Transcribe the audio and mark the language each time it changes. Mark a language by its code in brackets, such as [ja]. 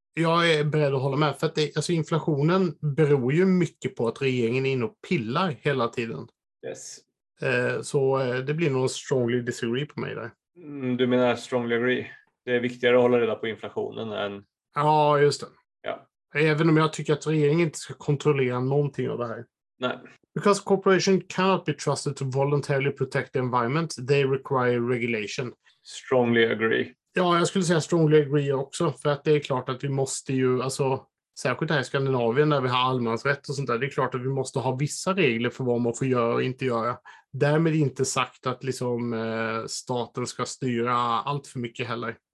[sv] Jag är beredd att hålla med. För att inflationen beror ju mycket på att regeringen är inne och pillar hela tiden. Yes. Så det blir nog [en] strongly disagree [sv] på mig där. Mm, du menar [en] strongly agree? [sv] Det är viktigare att hålla reda på inflationen än... Ja, just det. Ja. Även om jag tycker att regeringen inte ska kontrollera någonting av det här. Nej. [en] Because corporation cannot be trusted to voluntarily protect the environment, they require regulation. Strongly agree. [sv] Ja, jag skulle säga [en] strongly agree [sv] också. För att det är klart att vi måste ju, alltså, särskilt här i Skandinavien när vi har allemansrätt och sånt där, det är klart att vi måste ha vissa regler för vad man får göra och inte göra. Därmed inte sagt att liksom, staten ska styra allt för mycket heller.